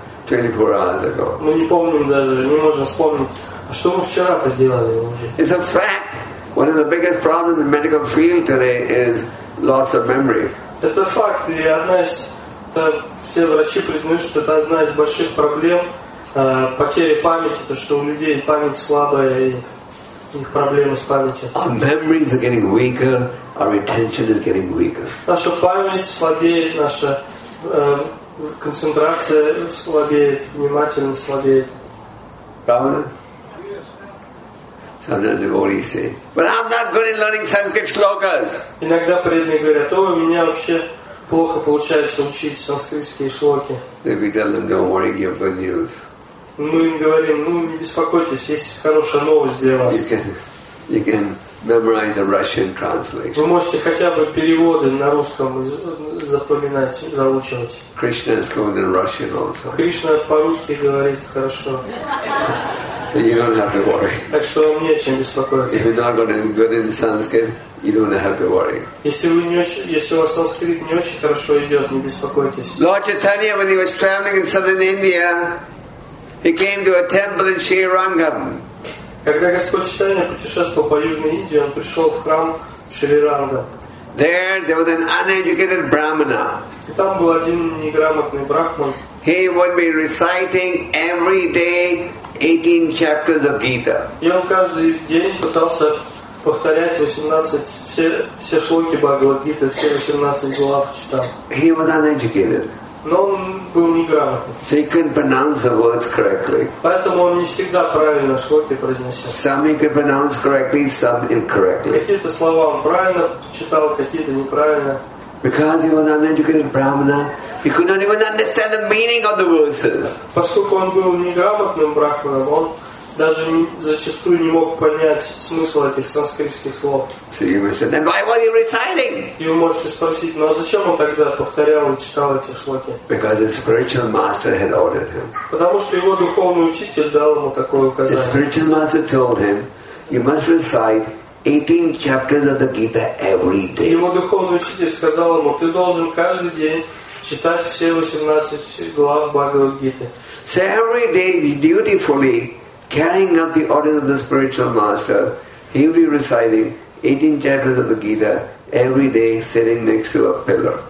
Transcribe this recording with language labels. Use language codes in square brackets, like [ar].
[ru] Мы не помним даже, не можем вспомнить, что мы вчера поделали. [en] It's a fact. One of the biggest problems in the medical field today is loss of memory. [ru] Это факт, и одна из, все врачи признают, что это одна из больших проблем потери памяти, то что у людей память слабая и их проблемы с памятью. [en] Our memories are getting weaker. Our retention is getting weaker. [ru] Наша память слабеет, наша концентрация слабеет, внимательность слабеет. Правда? [en] Sometimes devotees say, "But I'm not good in learning Sanskrit shlokas." [ru] Иногда преданные говорят, "О, у меня вообще плохо получается учить санскритские шлоки." [en] Then we tell them, "Don't worry, you have good news." [ru] Мы им говорим, ну не беспокойтесь, есть хорошая новость для вас. [en] You can memorize a Russian translation. [ru] Вы можете хотя бы переводы на русском запоминать, заучивать. [en] Krishna is good in Russian also. [ru] Кришна по-русски говорит хорошо. [en] So you don't have to worry. [ru] Так что вам не о чем беспокоиться. [en] If you're not good in Sanskrit, you don't have to worry. [ru] Если у вас санскрит не очень хорошо идет, не беспокойтесь. [en] Lord Chaitanya, when he was traveling in southern India, he came to a temple in Sri Rangam. [ru] Когда Господь Читания путешествовал по Южной Индии, он пришел в храм в Шри-Ранга. [en] There was an uneducated brahmana. [ru] И там был один неграмотный брахман. [en] He would be reciting every day 18 chapters of Gita. [ru] И он каждый день пытался повторять 18 все шлоки Бхагавад-гиты, все 18 глав читал. [en] He was uneducated. [ru] Но он был неграмотный. [en] So he couldn't pronounce the words correctly. [ru] Поэтому он не всегда правильно шлоки произносил. [en] Some he could pronounce correctly, some incorrectly. [ru] Какие-то слова он правильно читал, какие-то неправильно. [en] Because he was an uneducated brahmana, he could not even understand the meaning of the verses. [ru] Поскольку он был неграмотным брахманом, он даже зачастую не мог понять смысл этих санскритских слов. [en] So you must say, then why were you reciting? [ru] И вы можете спросить, ну а зачем он тогда повторял и читал эти шлоки? [en] Because his spiritual master had ordered him. [ru] Потому что его духовный учитель дал ему такое указание. [en] His spiritual master told him, you must recite 18 chapters of the Gita every day. [ru] Его духовный учитель сказал ему, ты должен каждый день читать все 18 глав Бхагавад-гиты. [en] So every day dutifully carrying out the orders of the spiritual master, he will be reciting 18 chapters of the Gita every day, sitting next to a pillar.